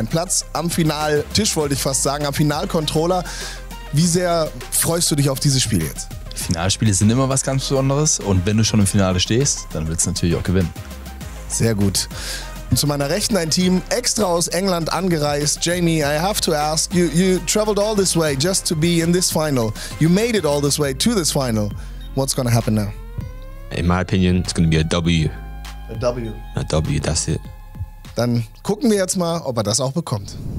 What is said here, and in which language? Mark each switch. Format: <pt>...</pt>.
<de>Ein Platz am Finaltisch, wollte ich fast sagen, am Finalcontroller. Wie sehr freust du dich auf dieses Spiel jetzt? Finalspiele sind immer was ganz Besonderes und wenn du schon im Finale stehst, dann willst du natürlich auch gewinnen. Sehr gut. Und zu meiner Rechten ein Team, extra aus England angereist.</de> <en>Jamie, I have to ask, you traveled all this way just to be in this final. You made it all this way to this final. What's gonna happen now? In my opinion, it's gonna be a W. A W. A W, that's it.</en> <de>Dann gucken wir jetzt mal, ob er das auch bekommt.</de>